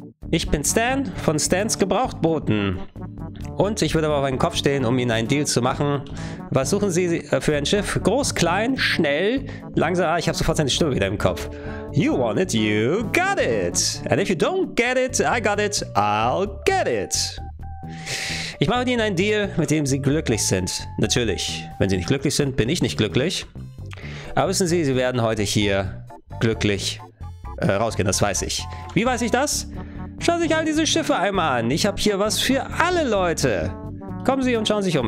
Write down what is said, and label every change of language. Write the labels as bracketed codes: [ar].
[de] Ich bin Stan von Stans Gebrauchtboten. Und ich würde aber auf einen Kopf stehen, um Ihnen einen Deal zu machen. Was suchen Sie für ein Schiff? Groß, klein, schnell, langsam. Ah, ich habe sofort seine Stimme wieder im Kopf. [en] You want it, you got it. And if you don't get it, I got it, I'll get it. [de] Ich mache mit Ihnen einen Deal, mit dem Sie glücklich sind. Natürlich, wenn Sie nicht glücklich sind, bin ich nicht glücklich. Aber wissen Sie, Sie werden heute hier glücklich rausgehen, das weiß ich. Wie weiß ich das? Schauen Sie sich all diese Schiffe einmal an. Ich habe hier was für alle Leute. Kommen Sie und schauen Sie sich um.